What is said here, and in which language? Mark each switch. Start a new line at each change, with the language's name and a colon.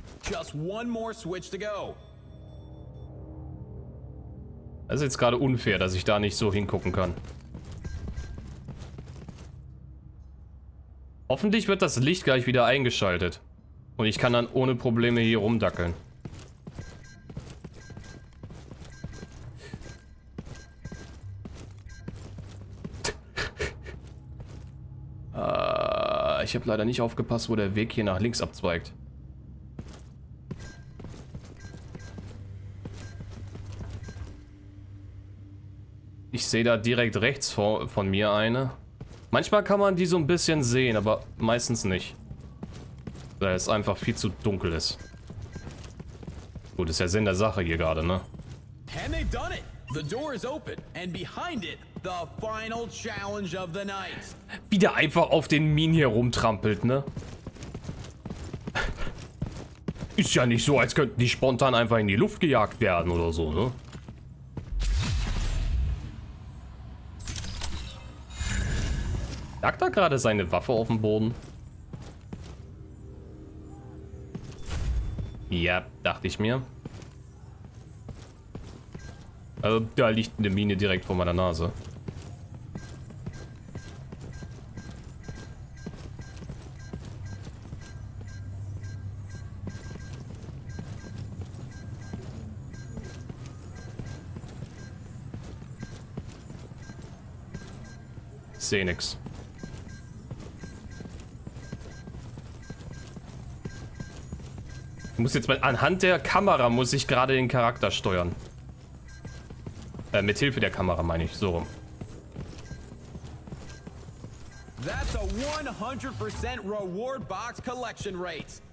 English: Just one more switch to go.
German: Das ist jetzt gerade unfair, dass ich da nicht so hingucken kann. Hoffentlich wird das Licht gleich wieder eingeschaltet. Und ich kann dann ohne Probleme hier rumdackeln. Ich habe leider nicht aufgepasst, wo der Weg hier nach links abzweigt. Ich sehe da direkt rechts von mir eine. Manchmal kann man die so ein bisschen sehen, aber meistens nicht. Weil es einfach viel zu dunkel ist. Gut, ist ja Sinn der Sache hier gerade, ne?
English: And they've done it. The door is open and behind it the final challenge of the night.
German: Wieder einfach auf den Minen hier rumtrampelt, ne? Ist ja nicht so, als könnten die spontan einfach in die Luft gejagt werden oder so, ne? Lag da gerade seine Waffe auf dem Boden? Ja, dachte ich mir. Also, da liegt eine Mine direkt vor meiner Nase. Seh nix. Ich muss jetzt mal anhand der Kamera muss ich gerade den Charakter steuern. Mithilfe der Kamera meine ich, so rum.
English: That's a 100% reward box collection rate.